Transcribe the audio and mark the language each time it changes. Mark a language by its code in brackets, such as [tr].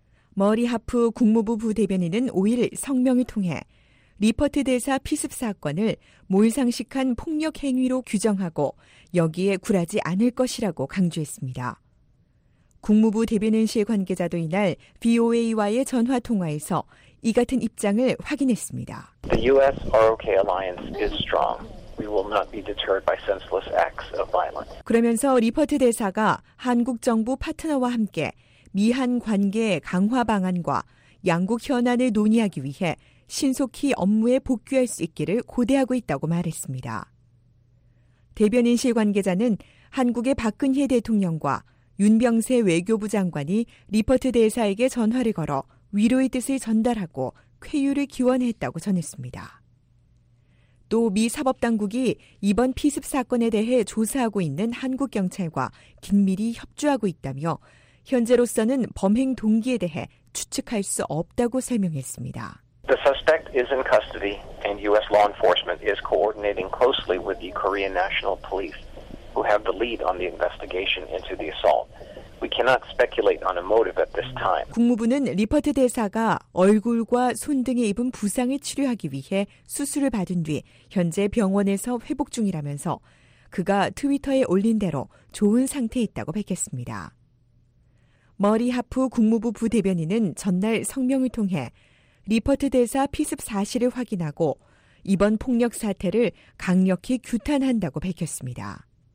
[ko] 머리 하프 국무부 부대변인은 5일 성명을 통해 리퍼트 대사 피습 사건을 몰상식한 폭력 행위로 규정하고 여기에 굴하지 않을 것이라고 강조했습니다. 국무부 대변인실 관계자도 이날 VOA와의 전화 통화에서 이 같은 입장을 확인했습니다. [en] The U.S. ROK alliance is strong. We will not be deterred by senseless acts of violence. [ko] 그러면서 리퍼트 대사가 한국 정부 파트너와 함께 미한 관계 강화 방안과 양국 현안을 논의하기 위해 신속히 업무에 복귀할 수 있기를 고대하고 있다고 말했습니다. 대변인실 관계자는 한국의 박근혜 대통령과 윤병세 외교부 장관이 리퍼트 대사에게 전화를 걸어 위로의 뜻을 전달하고 쾌유를 기원했다고 전했습니다. 또 미 사법당국이 이번 피습 사건에 대해 조사하고 있는 한국 경찰과 긴밀히 협조하고 있다며 현재로서는 범행 동기에 대해 추측할 수 없다고 설명했습니다. [en] The suspect is in custody and U.S. law enforcement is coordinating closely with the Korean National Police who have the lead on the investigation into the assault. We cannot speculate on a motive at this time. [ko] 국무부는 리퍼트 대사가 얼굴과 손 등에 입은 부상을 치료하기 위해 수술을 받은 뒤 현재 병원에서 회복 중이라면서 그가 트위터에 올린 대로 좋은 상태에 있다고 밝혔습니다. 머리 하프 국무부 부대변인은 전날 성명을 통해 리퍼트 대사 피습 사실을 확인하고 이번 폭력 사태를 강력히 규탄한다고 밝혔습니다.